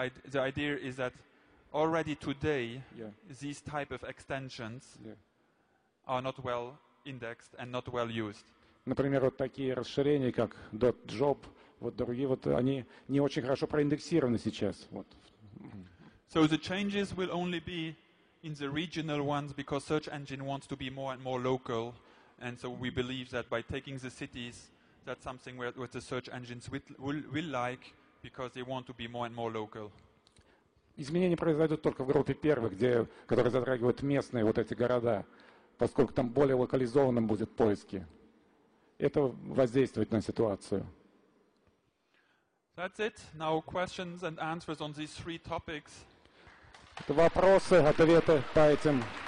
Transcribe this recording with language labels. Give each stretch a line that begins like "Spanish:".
English: the idea is that already today, yeah, these type of extensions, yeah, are not well indexed and not well used.
Russian: Например, вот такие расширения, как .job, вот другие, вот они не очень хорошо проиндексированы сейчас. Вот.
English: So the changes will only be in the regional ones because search engine wants to be more and more local, and so we believe that by taking the cities, that's something where the search engines will like because they want to be more and more local.
Russian: Изменения произойдут только в группе первых, которые затрагивают местные вот эти города, поскольку там более локализованным будет поиски. Это воздействует на ситуацию.
English: That's it. Now questions and answers on these three topics.
Russian: Это вопросы, ответы по этим.